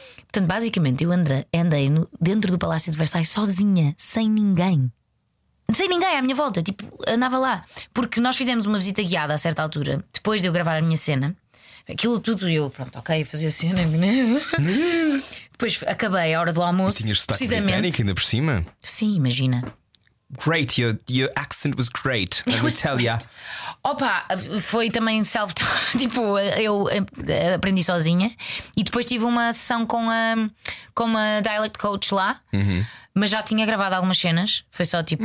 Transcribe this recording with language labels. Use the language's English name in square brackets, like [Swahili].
[Portuguese] Portanto, basicamente, eu andei dentro do Palácio de Versailles sozinha, sem ninguém. Sem ninguém à minha volta, tipo, andava lá. Porque nós fizemos uma visita guiada a certa altura, depois de eu gravar a minha cena. Aquilo tudo, eu, pronto, ok, fazia a cena. Depois acabei a hora do almoço. E tinhas sotaque britânico ainda por cima? Sim, imagina. [English] Great, your accent was great. I will tell ya. [Portuguese] Opa, foi também self. Tipo, eu aprendi sozinha. E depois tive uma sessão com uma dialect coach lá. Uhum. Mas já tinha gravado algumas cenas, foi só tipo.